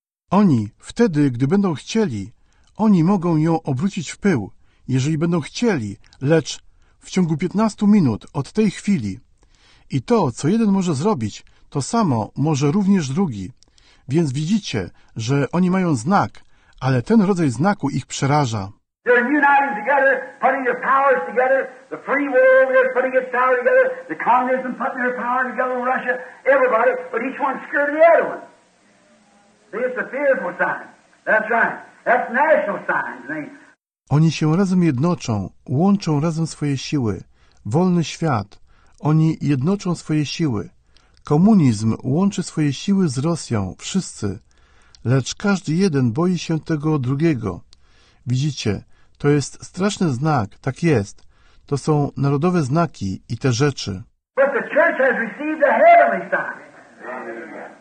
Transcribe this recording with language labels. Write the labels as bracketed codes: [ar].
[pl] Oni, wtedy, gdy będą chcieli, oni mogą ją obrócić w pył. jeżeli będą chcieli, lecz w ciągu 15 minut od tej chwili. I to, co jeden może zrobić, to samo może również drugi. Więc widzicie, że oni mają znak, ale ten rodzaj znaku ich przeraża. [en] They're uniting together, putting their powers together, the free world, they're putting its power together, the communism putting their power together in Russia, everybody, but each one's scared of the other one. See, it's a fearful sign. That's right. That's national signs. [pl] Oni się razem jednoczą, łączą razem swoje siły. Wolny świat. Oni jednoczą swoje siły. Komunizm łączy swoje siły z Rosją, wszyscy. Lecz każdy jeden boi się tego drugiego. Widzicie, to jest straszny znak, tak jest. To są narodowe znaki i te rzeczy. [en] But the church has received a heavenly sign. An astronaut.